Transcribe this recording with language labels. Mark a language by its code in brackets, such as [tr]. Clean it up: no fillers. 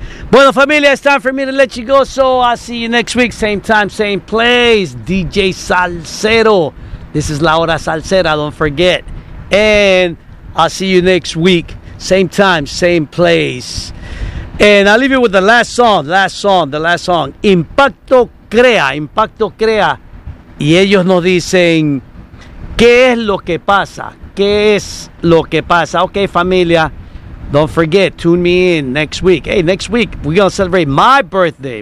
[es] Bueno, familia, [en] it's time for me to let you go, so I'll see you next week, same time, same place, DJ Salsero. This is La Hora Salsera, don't forget. And I'll see you next week, same time, same place. And I'll leave you with the last song, Impacto Crea. [es] Y ellos nos dicen, ¿qué es lo que pasa? ¿Qué es lo que pasa? [en] Ok, familia, don't forget, tune me in next week. Hey, next week, we're going to celebrate my birthday.